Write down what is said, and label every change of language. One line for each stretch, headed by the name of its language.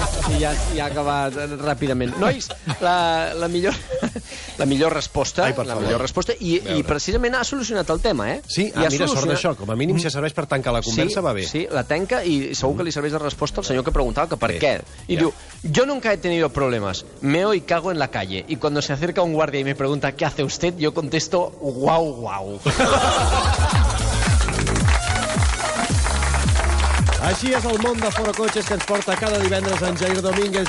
Catalan: I ja ha acabat ràpidament. Nois, la millor resposta, i precisament ha solucionat el tema, eh? Sí, sort d'això, com a mínim si serveix per tancar la conversa, sí, va bé. Sí, la tanca i segur que li serveix de resposta al senyor que preguntava que per què. I diu,
Spanish: yo nunca he tenido problemas, meo y cago en la calle, y cuando se acerca un guardia y me pregunta qué hace usted, yo contesto, guau, guau.
Catalan: Així és el món de Foro Cotxes que ens porta cada divendres en Jair Domínguez.